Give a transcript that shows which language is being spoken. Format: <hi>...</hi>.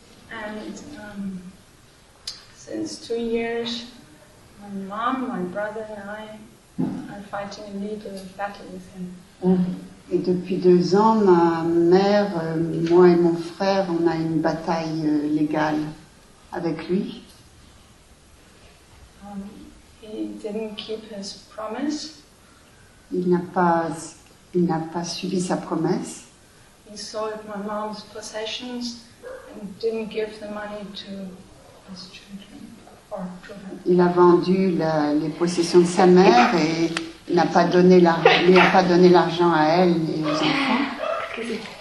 <en>And since 2 years, my mom, my brother, and I are fighting a legal battle with him. Mm-hmm.</en> <fr>Et depuis deux ans, ma mère, moi et mon frère, on a une bataille légale avec lui.</fr> <en>He didn't keep his promise.</en> <fr>Il n'a pas suivi sa promesse.</fr> <en>He sold my mom's possessions and didn't give the money to his children.</en> <fr>Il a vendu les possessions de sa mère et n'a pas donné l'argent à elle et aux enfants.</fr>